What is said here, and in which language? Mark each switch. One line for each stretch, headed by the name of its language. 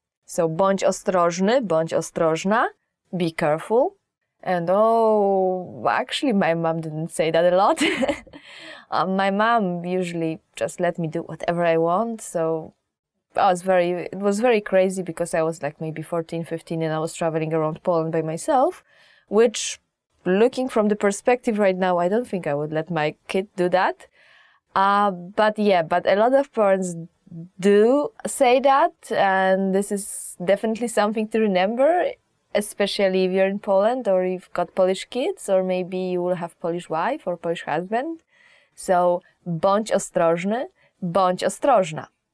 Polish: So bądź ostrożny, bądź ostrożna,
English: be careful. And oh, actually my mom didn't say that a lot. My mom usually just let me do whatever I want. So it was very crazy because I was like maybe 14, 15 and I was traveling around Poland by myself, which looking from the perspective right now, I don't think I would let my kid do that. But a lot of parents do say that, and this is definitely something to remember, especially if you're in Poland or you've got Polish kids, or maybe you will have Polish wife or Polish husband.
Polish: So, bądź ostrożny, bądź ostrożna.